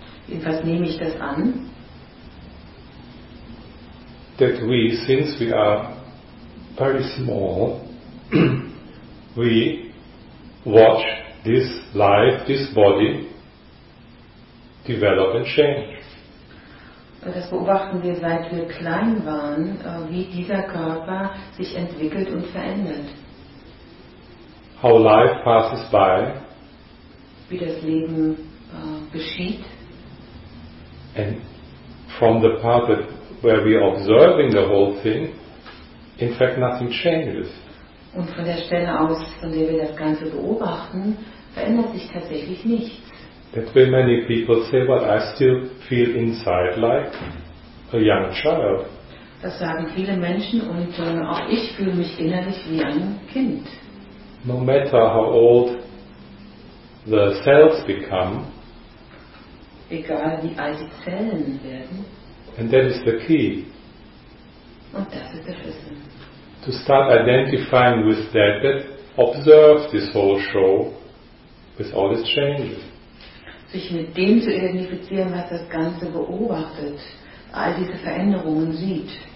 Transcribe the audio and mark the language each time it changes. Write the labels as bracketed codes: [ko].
[de] Jedenfalls nehme ich das an. [en] That we, since we are very small, we watch this life, this body, develop and change. [de] Das beobachten wir, seit wir klein waren, wie dieser Körper sich entwickelt und verändert. [en] How life passes by. [de] Wie das Leben geschieht. [en] And from the part that where we are observing the whole thing, in fact nothing changes. [de] Und von der Stelle aus, von der wir das Ganze beobachten, verändert sich tatsächlich nichts. [en] That way many people say, but I still feel inside like a young child. [de] Das sagen viele Menschen und auch ich fühle mich innerlich wie ein Kind. [en] No matter how old the cells become. [de] Egal wie alt die Zellen werden. [en] And that is the key. [de] Und das ist der Schlüssel. [en] To start identifying with that observe this whole show. With all its changes. [de] Sich mit dem zu identifizieren, was das Ganze beobachtet, all diese Veränderungen sieht.